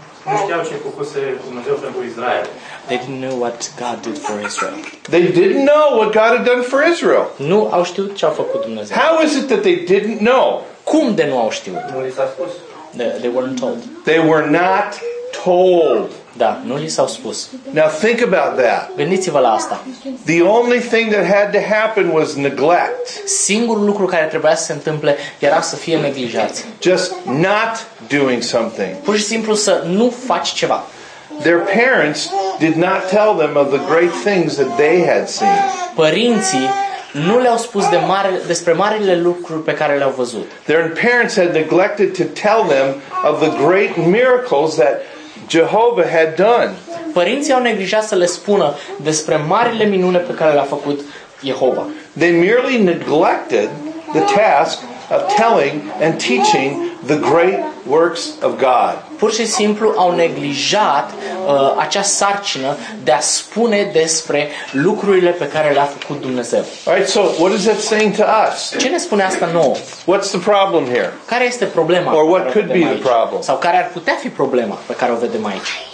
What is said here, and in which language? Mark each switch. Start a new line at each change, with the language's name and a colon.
Romanian: Nu știau ce făcuse Dumnezeu pentru Israel.
English: They didn't know what God did for Israel. They didn't know what God had done for Israel.
Romanian: Nu au știut ce a făcut Dumnezeu.
English: How is it that they didn't know?
Romanian: Cum de nu au știut? Nu li s-a spus.
English: They weren't told. They were not told.
Romanian: Da, nu li s-au spus.
English: Now think about that.
Romanian: Gândiți-vă la asta.
English: The only thing that had to happen was neglect.
Romanian: Singurul lucru care trebuia să se întâmple era să fie neglijați.
English: Just not doing something.
Romanian: Pur și simplu să nu faci ceva.
English: Their parents did not tell them of the great things that they had seen.
Romanian: Părinții nu le-au spus despre marile lucruri pe care le-au văzut.
English: Their parents had neglected to tell them of the great miracles that Jehovah had done.
Romanian: Părinții au neglijat să le spună despre marile minune pe care le-a făcut Jehovah.
English: They merely neglected the task of telling and teaching the great works of God.
Romanian: Pur și simplu au neglijat acea sarcină de a spune despre lucrurile pe care le-a făcut Dumnezeu.
English: All right, so what is that saying to us?
Romanian: Ce ne spune asta nouă?
English: What's the problem here?
Romanian: Care este problema?
English: Or what could be the problem?
Romanian: Sau care ar putea fi problema pe care o vedem aici?